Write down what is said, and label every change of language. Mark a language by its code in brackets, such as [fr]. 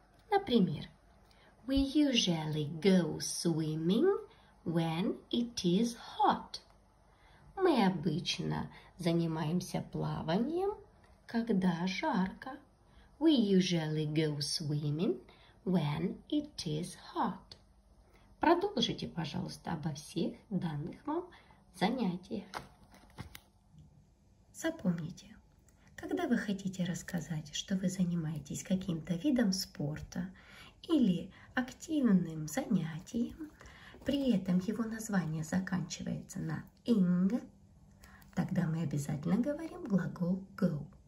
[en] Например, we usually go swimming when it is hot. [ru] Мы обычно занимаемся плаванием, когда жарко. [en] We usually go swimming when it is hot. [ru] Продолжите, пожалуйста, обо всех данных вам занятиях. Запомните, когда вы хотите рассказать, что вы занимаетесь каким-то видом спорта или активным занятием, при этом его название заканчивается на ing, тогда мы обязательно говорим глагол go.